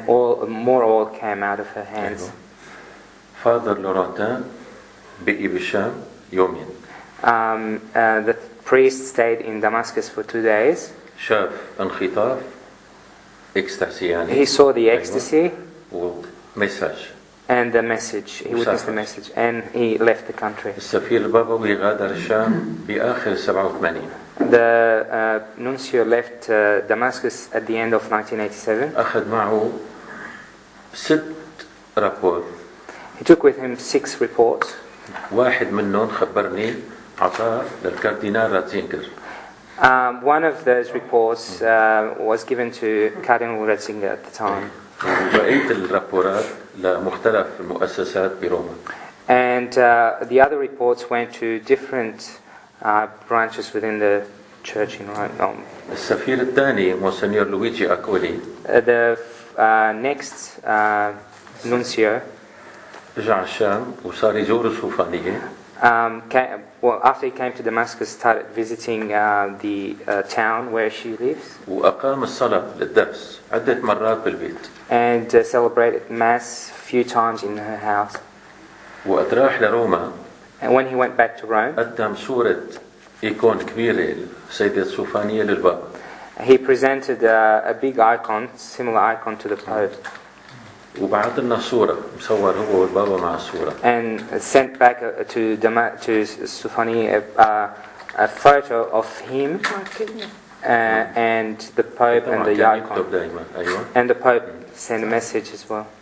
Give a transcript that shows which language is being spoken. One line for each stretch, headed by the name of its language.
English: And all more oil came out of her hands.
Arabic: Father Laurentin بقي بالشام يومين.
English: The priest stayed in Damascus for 2 days.
Arabic: شاف انخطاف اكستاسي يعني.
English: He saw the ecstasy.
Arabic: مساج.
English: And the message. He witnessed the message, and he left the country.
Arabic: السفير البابوي غادر الشام بآخر 87.
English: The nuncio left Damascus at the end of 1987.
Arabic: أخذ معه 6 رابور.
English: He took with him 6 reports.
Arabic: واحد منهم خبرني. عطاء للكاردينال راتزينجر.
English: One of those reports was given to Cardinal Ratzinger at the time.
Arabic: وبقيت الرابورات لمختلف المؤسسات بروما.
English: And the other reports went to different branches within the church in Rome.
Arabic: السفير الثاني مونسيور لويجي أكولي.
English: The next nuncio.
Arabic: رجع الشام وصار يزور الصوفانية.
English: After he came to Damascus, started visiting the town where she lives.
Arabic: وأقام الصلاة للدرس عدة مرات بالبيت.
English: And celebrated mass a few times in her house.
Arabic: وقت راح لروما.
English: And when he went back to Rome.
Arabic: قدم صورة إيكون كبيرة لسيدة الصوفانية للبابا.
English: He presented a big icon, similar icon to the Pope.
Arabic: وبعث لنا صورة مصور هو والبابا مع الصورة.
English: And sent back to to Sufani a photo of him and the Pope and the icon. And the Pope sent a message as well.